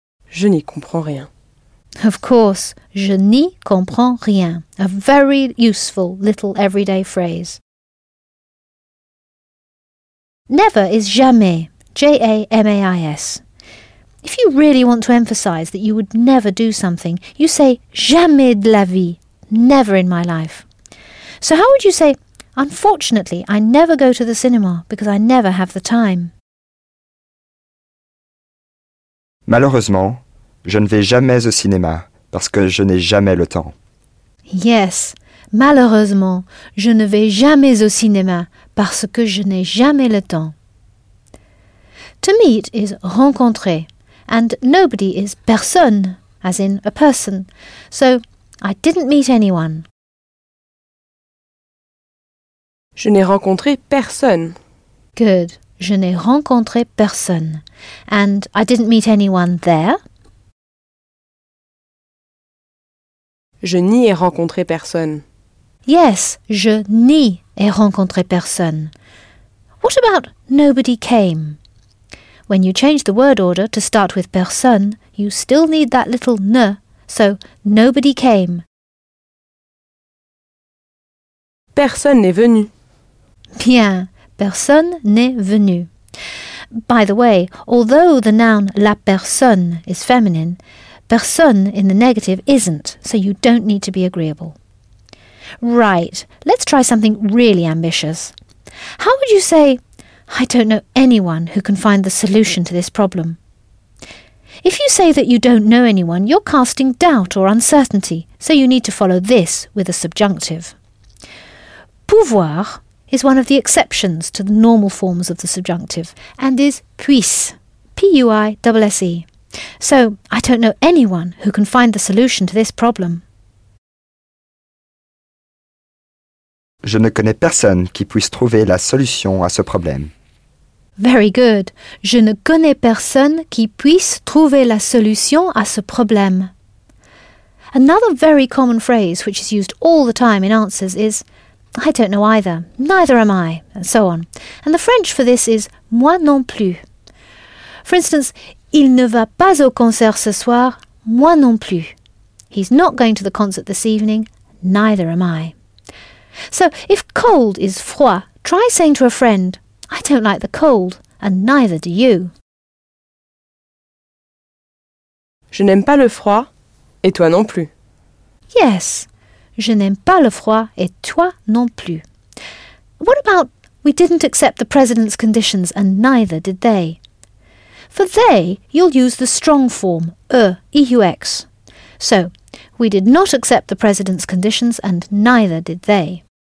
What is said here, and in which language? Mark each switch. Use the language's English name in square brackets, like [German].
[French] Je n'y comprends rien. [English] Of course, [French] je n'y comprends rien. [English] A very useful little everyday phrase. Never is jamais, J-A-M-A-I-S. If you really want to emphasize that you would never do something, you say [French] jamais de la vie, [English] never in my life. So how would you say, unfortunately, I never go to the cinema because I never have the time? [French] Malheureusement, je ne vais jamais au cinéma parce que je n'ai jamais le temps. [English] Yes, [French] malheureusement, je ne vais jamais au cinéma parce que je n'ai jamais le temps. [English] To meet is rencontrer. And nobody is personne, as in a person. So, I didn't meet anyone. [French] Je n'ai rencontré personne. [English] Good. [French] Je n'ai rencontré personne. [English] And I didn't meet anyone there. [French] Je n'y ai rencontré personne. [English] Yes, [French] je n'y ai rencontré personne. [English] What about nobody came? When you change the word order to start with personne, you still need that little ne, so nobody came. [French] Personne n'est venu. Bien, personne n'est venu. [English] By the way, although the noun [French] la personne [English] is feminine, personne in the negative isn't, so you don't need to be agreeable. Right, let's try something really ambitious. How would you say, I don't know anyone who can find the solution to this problem. If you say that you don't know anyone, you're casting doubt or uncertainty, so you need to follow this with a subjunctive. Pouvoir is one of the exceptions to the normal forms of the subjunctive, and is puisse, P-U-I-S-S-E. So, I don't know anyone who can find the solution to this problem. [French] Je ne connais personne qui puisse trouver la solution à ce problème. [English] Very good. [French] Je ne connais personne qui puisse trouver la solution à ce problème. [English] Another very common phrase which is used all the time in answers is I don't know either, neither am I, and so on. And the French for this is [French] moi non plus. [English] For instance, [French] il ne va pas au concert ce soir, moi non plus. [English] He's not going to the concert this evening, neither am I. So, if cold is froid, try saying to a friend, I don't like the cold, and neither do you. [French] Je n'aime pas le froid, et toi non plus. [English] Yes, [French] je n'aime pas le froid, et toi non plus. [English] What about, we didn't accept the president's conditions, and neither did they? For they, you'll use the strong form, EUX. So, we did not accept the president's conditions, and neither did they.